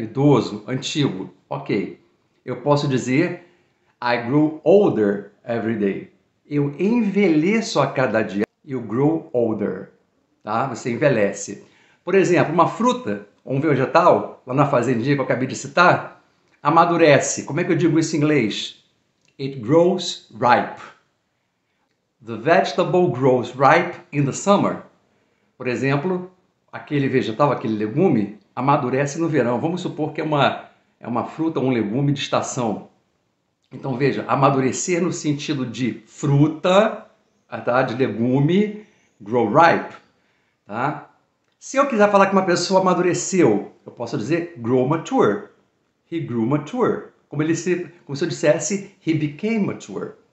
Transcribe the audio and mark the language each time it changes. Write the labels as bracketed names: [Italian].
[Portuguese] Idoso, antigo. Ok. Eu posso dizer [English] I grow older every day. [Portuguese] Eu envelheço a cada dia. [English] You grow older. [Portuguese] Tá? Você envelhece. Por exemplo, uma fruta ou um vegetal, lá na fazendinha que eu acabei de citar, amadurece. Como é que eu digo isso em inglês? [English] It grows ripe. The vegetable grows ripe in the summer. [Portuguese] Por exemplo, aquele vegetal, aquele legume, amadurece no verão. Vamos supor que é uma fruta ou um legume de estação. Então veja, amadurecer no sentido de fruta, tá? De legume, grow ripe. Tá? Se eu quiser falar que uma pessoa amadureceu, eu posso dizer grow mature. [English] He grew mature. [Portuguese] Como se eu dissesse [English] he became mature.